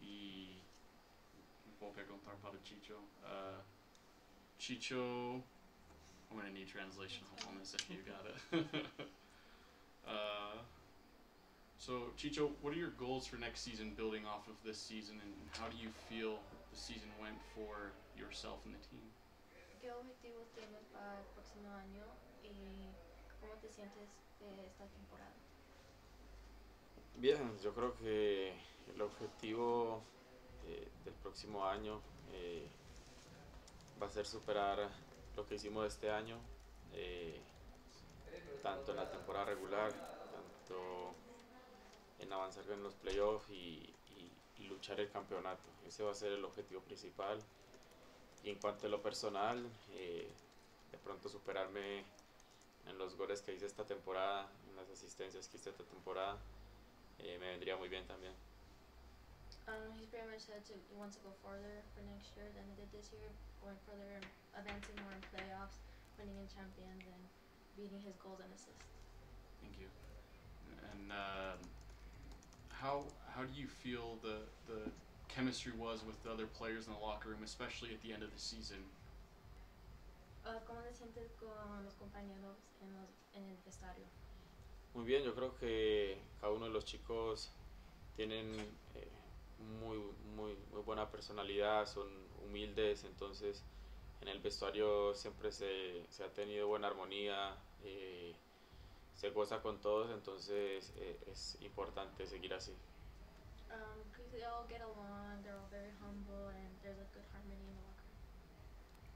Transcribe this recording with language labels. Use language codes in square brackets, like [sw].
[pt] E vou perguntar para o Chicho. [en] Chicho, I'm going to need translation on this if you got it. So, Chicho, what are your goals for next season, building off of this season, and how do you feel the season went for yourself and the team? [es] ¿Qué objetivos tienes para el próximo año y cómo te sientes esta temporada? Bien, yo creo que el objetivo del próximo año va a ser superar lo que hicimos este año, tanto en la temporada regular, tanto en avanzar en los playoffs y luchar el campeonato. Ese va a ser el objetivo principal. Y en cuanto a lo personal, de pronto superarme en los goles que hice esta temporada, en las asistencias que hice esta temporada, me vendría muy bien también. [en] He's pretty much said he wants to go further for next year than he did this year, going further, advancing more in playoffs, winning in champions, and beating his goals and assists. Thank you. And how do you feel the chemistry was with the other players in the locker room, especially at the end of the season? [es] ¿Cómo te sientes con los compañeros en el vestuario? Muy bien, yo creo que cada uno de los chicos tienen muy, muy, muy buena personalidad, son humildes, entonces en el vestuario siempre se ha tenido buena armonía, se goza con todos, entonces es importante seguir así. [en] They all get along, they're all very humble, and there's a good harmony in the locker room.